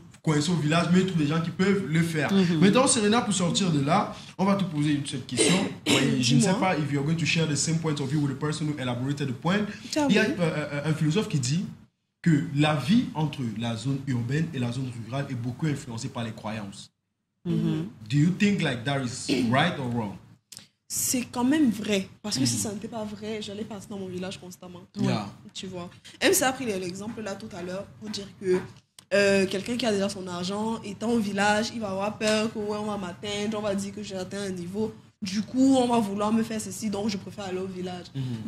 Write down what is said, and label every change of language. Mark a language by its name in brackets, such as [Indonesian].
[French] coincé au village, mais il trouve des gens qui peuvent le faire. Mm-hmm. Maintenant, Serena, pour sortir de là, on va te poser une seule question. Je ne sais pas [English] if you're going to share the same point of view with the person who elaborated the point. [French] Il y a un philosophe qui dit que la vie entre la zone urbaine et la zone rurale est beaucoup influencée par les croyances. Mm-hmm. [English] Do you think like that is right or wrong? [French] C'est quand même vrai. Parce que si ça n'était pas vrai, j'allais passer dans mon village constamment. [English] Yeah. [French] Tu vois. MC a pris l'exemple là tout à l'heure pour dire que quelqu'un qui a déjà son argent, étant au village, il va avoir peur que ouais, on va m'atteindre, on va dire que j'ai atteint un niveau. Du coup, on va vouloir me faire ceci, donc je préfère aller au village. Mm-hmm.